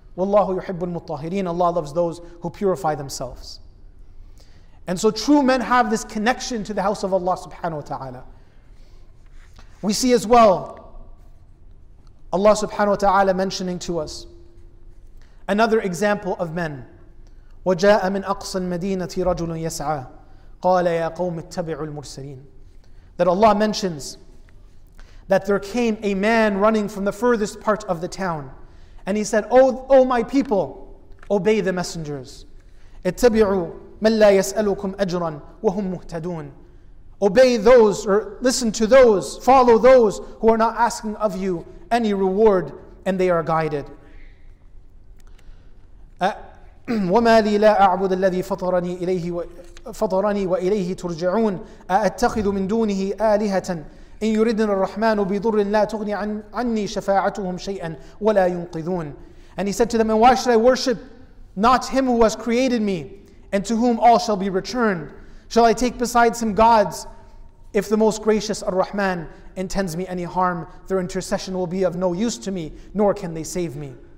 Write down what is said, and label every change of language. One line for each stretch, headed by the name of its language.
Arabic: Wallahu yuhibbul mutahireen.
English: Allah loves those who purify themselves. And so true men have this connection to the house of Allah subhanahu wa ta'ala. We see as well Allah subhanahu wa ta'ala mentioning to us another example of men.
Arabic: وَجَاءَ مِنْ أَقْصَى الْمَدِينَةِ رَجُلٌ يَسْعَى قَالَ يَا قَوْمِ اتَّبِعُوا الْمُرْسَلِينَ.
English: That Allah mentions that there came a man running from the furthest part of the town. And he said, Oh, my people, obey the messengers.
Arabic: اتبعوا من لا يسألكم أجرا وهم مهتدون.
English: Obey those, or listen to those, follow those who are not asking of you any reward, and they are guided.
Arabic: وما لي لا أعبد الذي فطرني إليه فطرني وإليه ترجعون أأتخذ من دونه آلهة إن يردن الرحمن بضر لا تغني عني شفاعتهم شيئا ولا ينقذون.
English: And he said to them, and why should I worship not him who has created me and to whom all shall be returned? Shall I take besides him gods? If the most gracious Ar-Rahman intends me any harm, their intercession will be of no use to me, nor can they save me.